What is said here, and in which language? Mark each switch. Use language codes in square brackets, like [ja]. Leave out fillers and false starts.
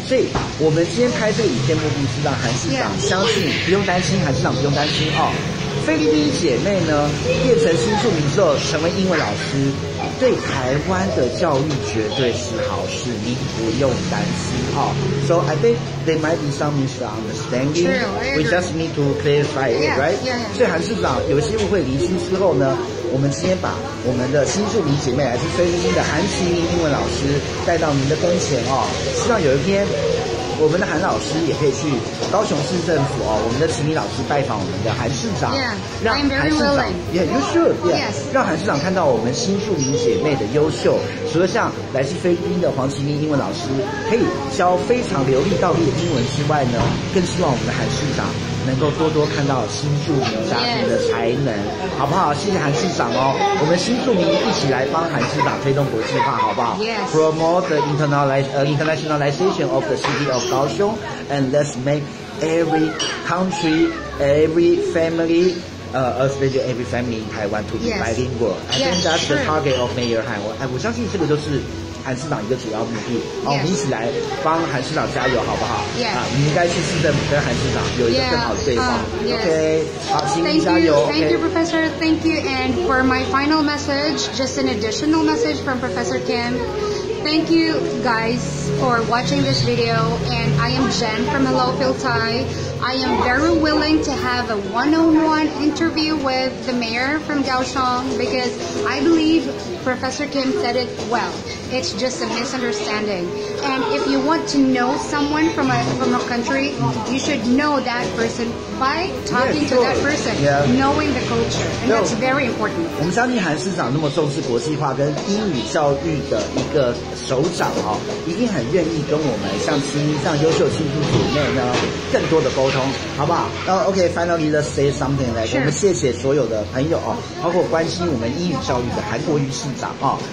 [zh] 所以我们今天拍这个影片目的是让韩市长相信、yeah. 不用担心，韩市长不用担心哦。菲律宾姐妹呢变成新住民之后成为英文老师，对台湾的教育绝对是好事，你不用担心哦。 [en] So I think there might be some misunderstanding. True, we just need to clarify it, yeah, right? Yeah, yeah. [zh] 所以韩市长有些误会厘清之后呢，我们今天把我们的新住民姐妹，来自菲律宾的韩琦妮英文老师带到您的跟前哦，希望有一天我们的韩老师也可以去高雄市政府哦，我们的琦妮老师拜访我们的韩市长， [en] yeah, [zh] 让韩市长 [en] yeah, you should, yeah, yes. [zh] 让韩市长看到我们新住民姐妹的优秀，除了像来自菲律宾的黄琦妮英文老师可以教非常流利道地的英文之外呢，更希望我们的韩市长能够多多看到新住民家庭的才能、 [en] yes. [zh] 好不好，谢谢韩市长哦，我们新住民一起来帮韩市长推动国际化好不好、 [en] yes. Promote the internationalization of the city of 高雄 and let's make every country, every family, especially every family in Taiwan to be bilingual、 yes. I think yes, that's、 sure. the target of Mayor Han. [zh] 我相信这个就是韩市长一个主要目的，好，我们一起来帮韩市长加油，好不好？ [en] Yes. [zh] 啊，你应该去市政府跟韩市长有一个更好的对话。 [en] Yeah. [zh] OK， 好，请您加油。 [en] Thank you. Thank you, Professor. Thank you. And for my final message, just an additional message from Professor Kim. Thank you, guys, for watching this video. And I am Jen from Hello Phil Thai. I am very willing to have a one-on-one interview with the mayor from Kaohsiung because I believe Professor Kim said it well. It's just a misunderstanding. And if you want to know someone from a country, you should know that person by talking yeah, sure. to that person, yeah. knowing the culture. And no, that's very important. [zh] 我们相信韩市长那么重视国际化跟英语教育的一个首长哦，一定很愿意跟我们像琦妮这样优秀新住姐妹呢更多的沟通，好不好？ [en] OK, finally, let's say something. Like,、 sure. [zh] 我们谢谢所有的朋友哦，包括关心我们英语教育的韩国瑜市长哦。